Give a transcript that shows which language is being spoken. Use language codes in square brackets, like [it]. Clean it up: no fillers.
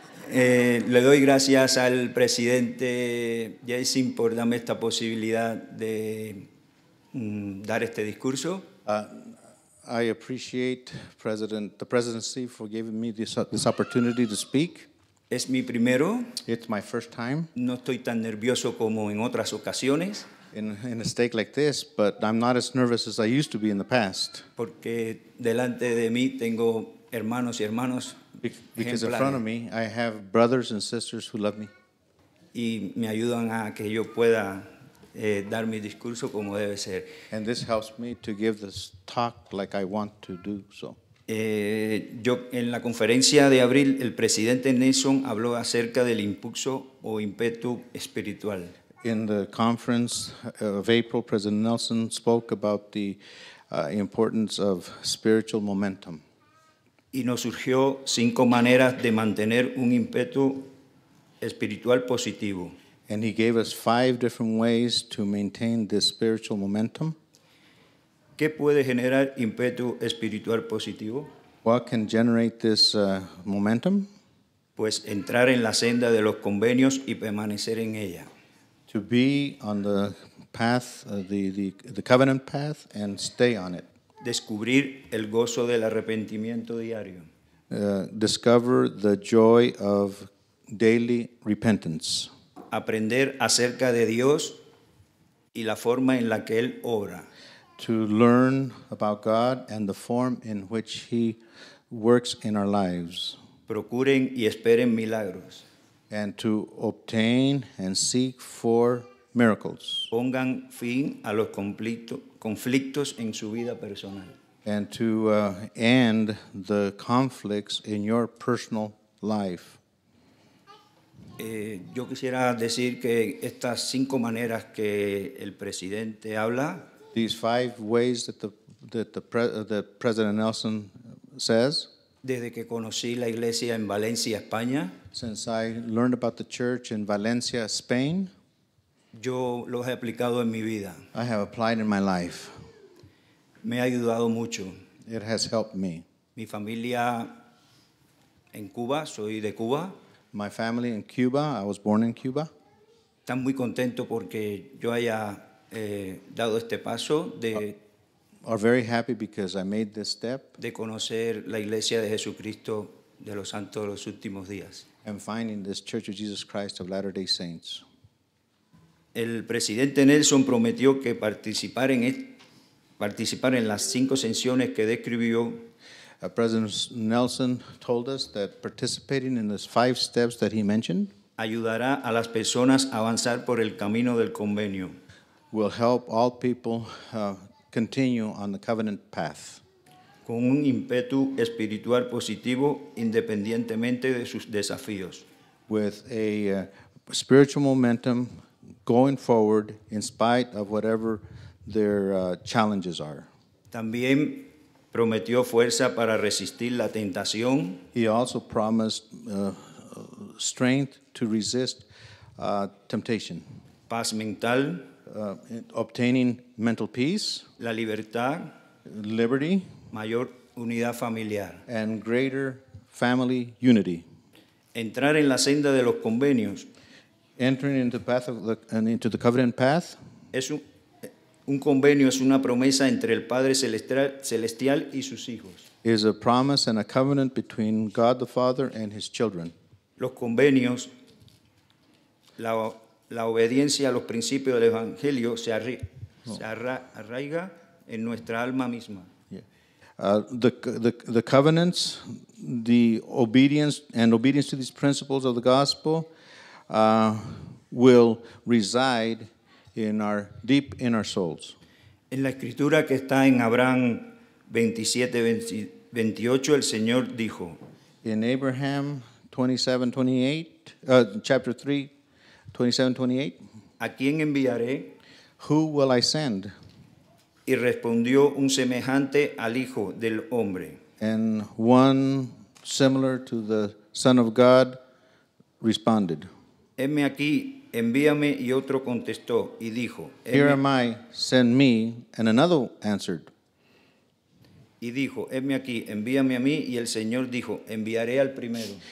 [es] Le doy gracias al presidente Jason por darme esta posibilidad de dar este discurso. [en] I appreciate the presidency for giving me this opportunity to speak. [es] Es mi primero. [en] It's my first time. [es] No estoy tan nervioso como en otras ocasiones. [en] In a stake like this, but I'm not as nervous as I used to be in the past. [es] Porque delante de mí tengo hermanos y hermanos. [en] Because in front of me, I have brothers and sisters who love me. [es] Y me ayudan a que yo pueda dar mi discurso como debe ser. [en] And this helps me to give this talk like I want to do so. [es] Yo en la conferencia de abril, el presidente Nelson habló acerca del impulso o ímpetu espiritual. [en] In the conference of April, President Nelson spoke about the importance of spiritual momentum. [es] Y nos surgió cinco maneras de mantener un ímpetu espiritual positivo. [en] And he gave us five different ways to maintain this spiritual momentum. [es] ¿Qué puede generar ímpetu espiritual positivo? [en] What can generate this momentum? [es] Pues entrar en la senda de los convenios y permanecer en ella. [en] To be on the path, the covenant path, and stay on it. [es] Descubrir el gozo del arrepentimiento diario. [en] Discover the joy of daily repentance. [es] Aprender acerca de Dios y la forma en la que Él obra. [en] To learn about God and the form in which He works in our lives. [es] Procuren y esperen milagros. [en] And to obtain and seek for miracles. [es] Pongan fin a los conflictos en su vida personal. [en] And to end the conflicts in your personal life. [es] Yo quisiera decir que estas cinco maneras que el presidente habla. [en] These five ways that the President Nelson says. [es] Desde que conocí la iglesia en Valencia, España. [en] Since I learned about the church in Valencia, Spain. [es] Yo los he aplicado en mi vida. [en] I have applied in my life. [es] Me ha ayudado mucho. [en] It has helped me. [es] Mi familia en Cuba, soy de Cuba. [en] My family in Cuba, I was born in Cuba. [es] Están muy contento porque yo haya dado este paso de... [en] Are very happy because I made this step. [es] De conocer la iglesia de Jesucristo de los Santos de los Últimos Días. [en] And finding this Church of Jesus Christ of Latter-day Saints. [es] El presidente Nelson prometió que participar en las cinco sesiones que describió. [en] President Nelson told us that participating in those five steps that he mentioned [es] ayudará a las personas a avanzar por el camino del convenio. [en] Will help all people continue on the covenant path. [es] Con un ímpetu espiritual positivo independientemente de sus desafíos. [en] With a spiritual momentum going forward in spite of whatever their challenges are. [es] También prometió fuerza para resistir la tentación. [en] He also promised strength to resist temptation. [es] Paz mental. [en] Obtaining mental peace. [es] La libertad. [en] Liberty. [es] Mayor unidad familiar. [en] And greater family unity. [es] Entrar en la senda de los convenios. [en] Entering into the path of into the covenant path. [es] Es un convenio es una promesa entre el Padre Celestial y sus hijos. [en] Is a promise and a covenant between God the Father and His children. [es] Los convenios, la obediencia a los principios del Evangelio se arraiga en nuestra alma misma. [en] The covenants, the obedience to these principles of the gospel will reside in our deep in our souls. [es] En la escritura que está en Abraham 27:28, el Señor dijo. [en] In Abraham 27:28, chapter 3:27-28. [es] ¿A quién enviaré? [en] Who will I send? [es] Y respondió un semejante al Hijo del Hombre. [en] And one similar to the Son of God responded. [es] Heme aquí. Envíame y otro contestó y dijo. [en] Here am I, send me, and another answered. [es] Y dijo, "Heme aquí, envíame a mí." Y el Señor dijo, "Enviaré al primero."